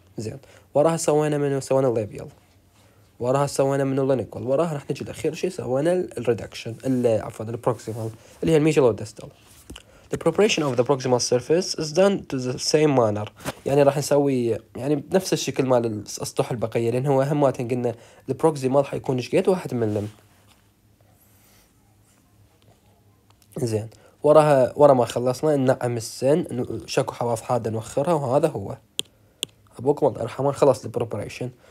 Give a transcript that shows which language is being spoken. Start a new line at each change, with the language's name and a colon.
Arabic: زين وراها سوينا منه سوينا الليبيال، وراها سوينا منه اللينجوال، وراها راح نجي الاخير شيء سوينا الريدكشن عفوا البروكسيمال اللي هي الميجيال والديستال.
English: The preparation of the proximal surface is done to the same manner.
Arabic: يعني راح نسوي يعني بنفس الشكل مال الأسطح البقية، لأن هو أهم وقت قلنا
English: the proximal
Arabic: حيكون شقيت 1 ملم. زين وراها ورا ما خلصنا ننعم السن، شكو حواف حادة نوخرها، وهذا هو أبوكم الله يرحمه خلص
English: the preparation.